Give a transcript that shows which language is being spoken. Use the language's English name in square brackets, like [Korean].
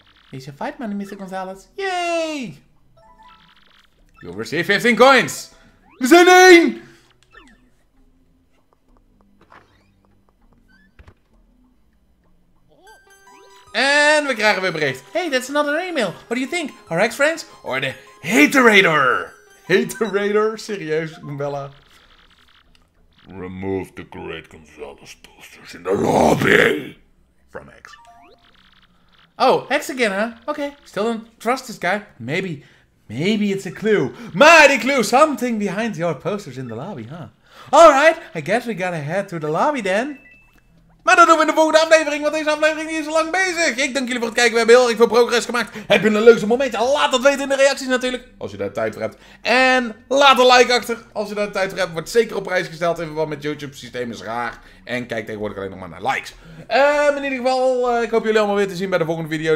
[English] Is your fight money, Mr. Gonzalez? Yay! You'll receive 15 coins. [Dutch] We zijn 1. En we krijgen weer bericht. [English] Hey, that's another email. What do you think? Our ex-friends? Or the Haterator? Haterator? [Dutch] Serieus, Bella? [English] Remove the Great Gonzalez posters in the lobby. From X. Oh, X again, huh? Okay, still don't trust this guy. Maybe, maybe it's a clue. Mighty clue! Something behind your posters in the lobby, huh? Alright, I guess we gotta head to the lobby then. [Dutch] Maar dat doen we in de volgende aflevering, want deze aflevering is al lang bezig. Ik dank jullie voor het kijken, we hebben heel erg veel progress gemaakt. Heb je een leukste moment? Laat dat weten in de reacties natuurlijk, als je daar tijd voor hebt. En laat een like achter, als je daar tijd voor hebt. Wordt zeker op prijs gesteld, in verband met YouTube, het systeem is raar. En kijk tegenwoordig alleen nog maar naar likes. In ieder geval, ik hoop jullie allemaal weer te zien bij de volgende video.